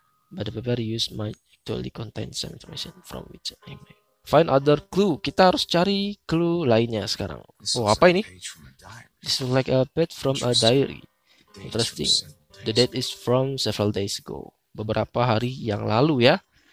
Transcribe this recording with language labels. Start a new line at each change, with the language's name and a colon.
English: But the paper used might actually contain some information from which I may find other clue.
Indonesian: Kita harus cari clue lainnya sekarang. Oh, apa ini?
English: This is like a page from a diary. Interesting. The date is from several days ago.
Indonesian: Beberapa hari yang lalu ya.